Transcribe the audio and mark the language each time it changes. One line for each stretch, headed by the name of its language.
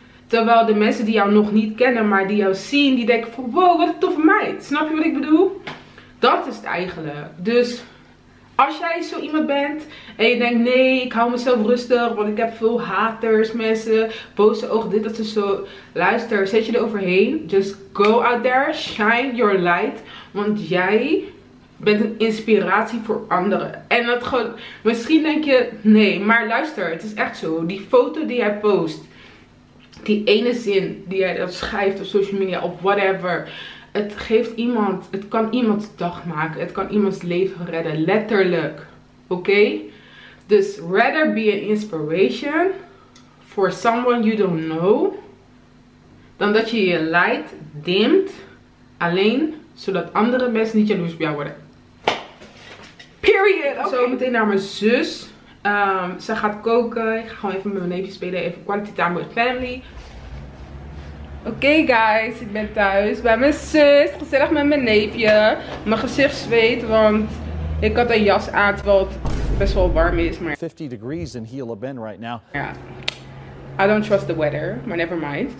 Dutch: Terwijl de mensen die jou nog niet kennen, maar die jou zien, die denken van wow, wat een toffe meid. Snap je wat ik bedoel? Dat is het eigenlijk. Dus als jij zo iemand bent en je denkt nee, ik hou mezelf rustig, want ik heb veel haters, mensen, boze ogen, dit, dat, zo. Luister, zet je er overheen.
English: Just go out there, shine your light.
Dutch: Want jij bent een inspiratie voor anderen. En dat gewoon, misschien denk je nee, maar luister, het is echt zo. Die foto die jij post, die ene zin die jij dat schrijft op social media of whatever. Het geeft iemand, het kan iemands dag maken. Het kan iemands leven redden, letterlijk. Oké? Dus
English: rather be an inspiration for someone you don't know.
Dutch: Dan dat je je light dimt. Alleen zodat andere mensen niet jaloers bij jou worden.
English: Period.
Dutch: Okay. Zo meteen naar mijn zus. Ze gaat koken. Ik ga gewoon even met mijn neefje spelen.
English: Even quality time with family.
Dutch: Oké, guys. Ik ben thuis bij mijn zus. Gezellig met mijn neefje. Mijn gezicht zweet, want ik had een jas aan, terwijl het best wel warm is. Maar
English: 50 degrees in Gila Bend right now.
Dutch: Ja.
English: I don't trust the weather, but never mind.